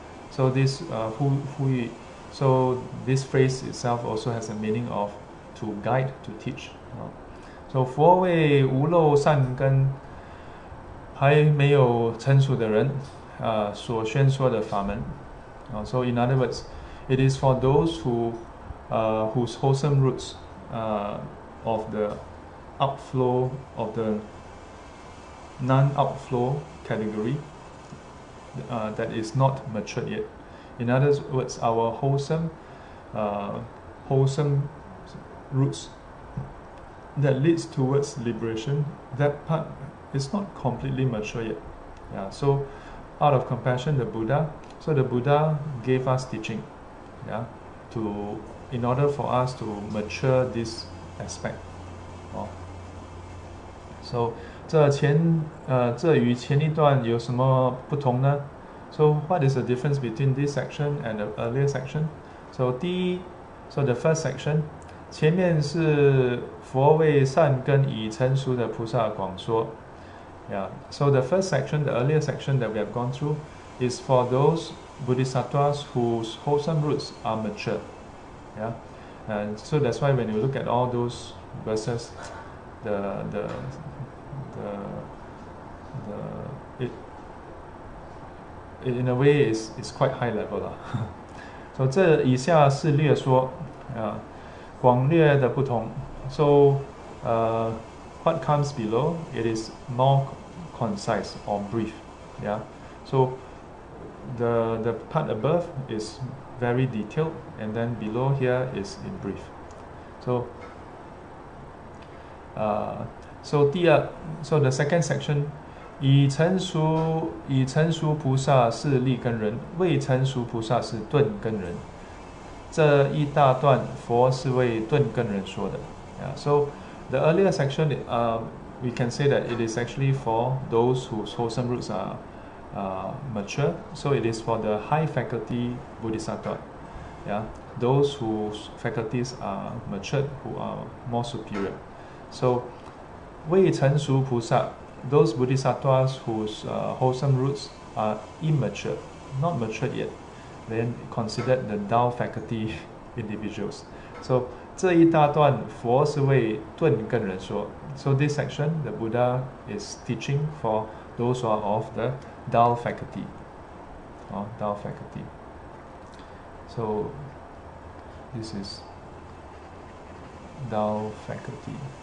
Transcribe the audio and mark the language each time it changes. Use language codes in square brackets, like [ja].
[en] So this Fuyi, so this phrase itself also has a meaning of to guide to teach. [zh] So 佛为无漏善根还没有成熟的人所宣说的法门。 [en] So in other words, it is for those who whose wholesome roots of the upflow of the non-outflow category that is not matured yet. In other words, our wholesome roots that leads towards liberation, that part is not completely mature yet. Yeah. So out of compassion, the Buddha gave us teaching, yeah, to in order for us to mature this aspect. Oh. [zh] So 这与前一段有什么不同呢？ [en] So what is the difference between this section and the earlier section? [zh] So [en] the first section, [zh] 前面是佛为善根已成熟的菩萨广说.Yeah. [en] So the first section, the earlier section that we have gone through, is for those bodhisattvas whose wholesome roots are mature. Yeah. And so that's why when you look at all those verses, it in a way is quite high level lah. [zh] So 这以下是略说, 广略的不同. [en] So what comes below, it is more concise or brief. Yeah. So the part above is very detailed, and then below here is in brief. [zh] So so [en] the second section, [zh] 已成熟菩萨是立根人，未成熟菩萨是顿根人. 这一大段佛是为顿根人说的. [en] Yeah, so the earlier section, we can say that it is actually for those whose wholesome roots are mature. So it is for the high faculty bodhisattva. Yeah, those whose faculties are matured, who are more superior. So [zh] 未成熟菩萨, [en] those bodhisattvas whose wholesome roots are immature, not matured yet, then considered the Tao faculty individuals. So [zh] 这一大段佛是为顿根人说. [en] So this section, the Buddha is teaching for those who are of the Tao faculty. Tao faculty. So this is Tao faculty.